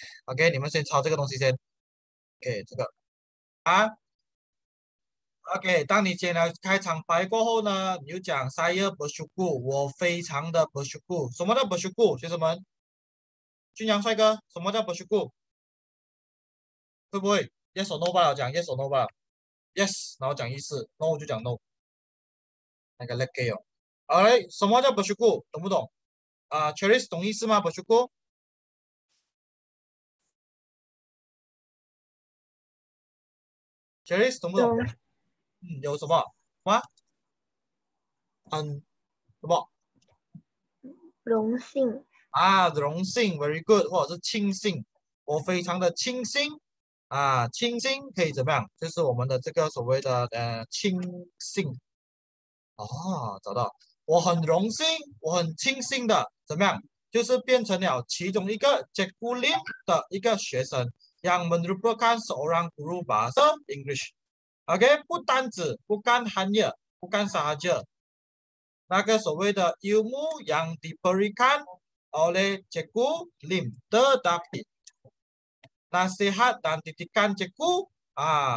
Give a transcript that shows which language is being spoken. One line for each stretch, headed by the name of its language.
Chinese: OK， 你们先抄这个东西先。 OK， 这个啊。 OK， 当你讲了开场白过后呢，你就讲
Malay: saya bersyukur，
Chinese: 我非常的 bersyukur。什么叫 bersyukur？学生们，俊阳帅哥，什么叫 bersyukur？会不会
English: yes or no
Chinese: 吧？ 讲 yes or no 吧 ？Yes， 然后讲意思 ，no 就讲 no。那个 let go。好嘞，什么叫 bersyukur？懂不懂？啊 ，Cherry 懂意思吗 ？bersyukur。 Cherry 懂不懂？嗯，有什么？什么？嗯，什么？荣幸。啊，荣幸 ，
English: very good，
Chinese: 或者是庆幸，我非常的庆幸啊，庆幸可以怎么样？就是我们的这个所谓的庆幸。哦，找到。我很荣幸，我很庆幸的，怎么样？就是变成了其中一个 Jeku Lim 的一个学生 ，
Malay: yang merupakan seorang guru bahasa English。 OK，
Chinese: 不单只，不干行业，不干啥子，那个所谓的
Malay: ilmu yang diberikan oleh Jeku Lim tetapi nasihat dan didikan Jeku 啊。